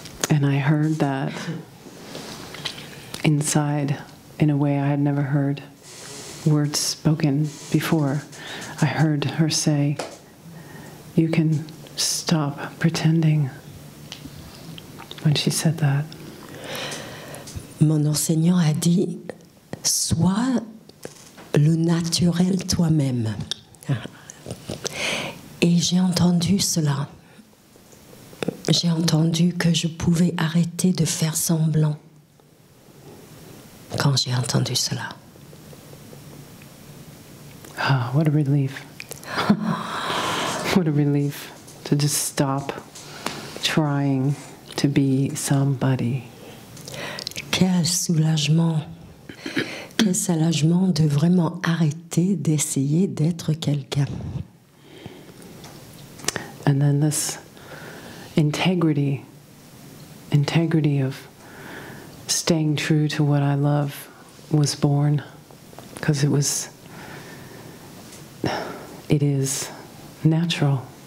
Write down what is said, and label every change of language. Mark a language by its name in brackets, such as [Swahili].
[English] And I heard that inside, in a way I had never heard words spoken before. I heard her say, you can stop pretending, when she said that. [French] Mon enseignant a dit, sois le naturel toi-même. Et j'ai entendu cela. J'ai entendu que je pouvais arrêter de faire semblant. Quand j'ai entendu cela. [English] Ah, what a relief. What a relief to just stop trying to be somebody. [French] Quel soulagement de vraiment arrêter d'essayer d'être quelqu'un. [English] And then this integrity of staying true to what I love was born, because it is natural.